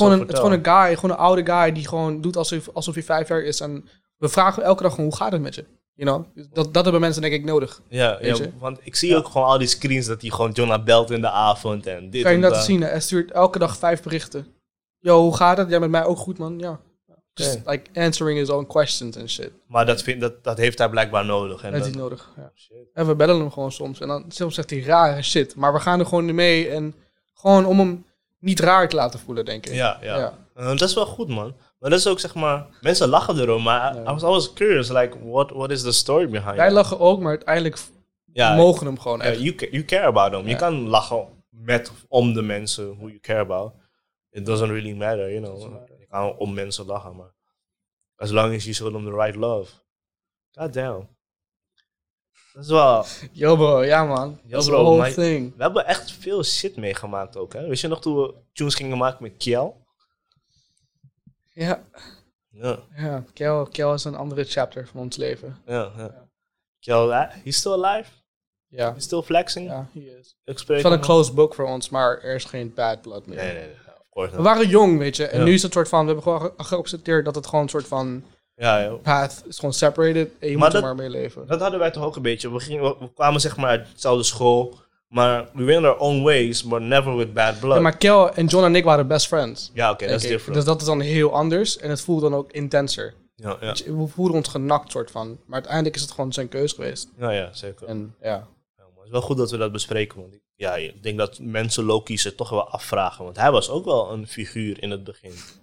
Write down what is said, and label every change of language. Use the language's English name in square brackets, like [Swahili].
[Dutch] gewoon een, het is gewoon een guy, gewoon een oude guy die gewoon doet alsof hij 5 jaar is. En we vragen elke dag gewoon, hoe gaat het met je? You know? Dat hebben mensen denk ik nodig. Want ik zie ook gewoon al die screens dat hij gewoon Jonah belt in de avond. En dit kan je en dat zien? Hij stuurt elke dag 5 berichten. Yo, hoe gaat het? Ja, met mij ook goed, man. Ja. [English] Just like answering his own questions and shit. [Dutch] Maar dat heeft hij blijkbaar nodig. En dat is nodig, ja. En we bellen hem gewoon soms. En dan soms zegt hij rare shit. Maar we gaan er gewoon mee. En gewoon om hem niet raar te laten voelen, denk ik. Ja. Dat is wel goed, man. Maar dat is ook, zeg maar, mensen lachen erom. Maar ja. [English] I was always curious, like, what is the story behind [Dutch] Wij lachen ook, maar uiteindelijk mogen hem gewoon echt. [English] You care about them. [Dutch] Ja. Je kan lachen met of om de mensen [English] who you care about. It doesn't really matter, you know. [Dutch] Om mensen lachen, maar [English] as long as you show them the right love. [Dutch] God damn. Dat is wel... [English] Yo bro, ja man. Yo bro, the whole thing. [Dutch] We hebben echt veel shit meegemaakt ook, hè. Weet je nog toen we tunes gingen maken met Kiel? Ja. [English] Yeah. [Dutch] Ja, Kiel is een andere chapter van ons leven. [English] Ja. Kiel, he's still alive? [Dutch] Ja. Yeah. [English] He's still flexing? [Dutch] Ja, [English] yeah, he is. [Dutch] Het is een closed book voor ons, maar er is geen bad blood meer. Nee. We waren jong, weet je. En nu is het soort van... We hebben gewoon geaccepteerd dat het gewoon een soort van... Path is gewoon separated. En je moet er maar mee leven. Dat hadden wij toch ook een beetje. We kwamen zeg maar uit dezelfde school. [English] Maar we went our own ways, but never with bad blood. [Dutch] Ja, maar Kel en John en ik waren best friends. Ja, oké, dat is different. Dus dat is dan heel anders. En het voelt dan ook intenser. Ja. We voelden ons genakt soort van. Maar uiteindelijk is het gewoon zijn keus geweest. Ja, zeker. En, ja. Het is wel goed dat we dat bespreken, want ja, ik denk dat mensen Loki ze toch wel afvragen. Want hij was ook wel een figuur in het begin.